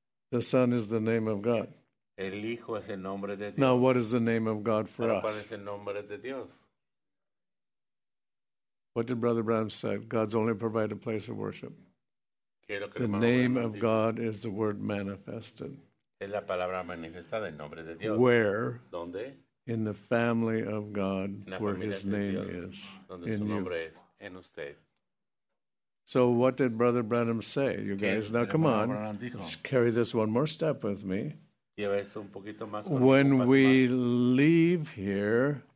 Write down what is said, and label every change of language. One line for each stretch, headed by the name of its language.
English: the son is the name of God.
Spanish: El hijo es el nombre de Dios.
English: Now what is the name of God for
Spanish: pero
English: us?
Spanish: ¿Cuál es el nombre de Dios?
English: What did Brother Branham say? God's only provided a place of worship.
Spanish: Que
English: the name of God is the word manifested.
Spanish: Es la palabra manifestada en nombre de Dios.
English: Where?
Spanish: ¿Dónde?
English: In the family of God, where his name is.
Spanish: Donde su nombre es en usted.
English: So what did Brother Branham say, you guys? Now come on, just carry this one more step with me.
Spanish: Lleva esto un poquito más.
English: When we leave here,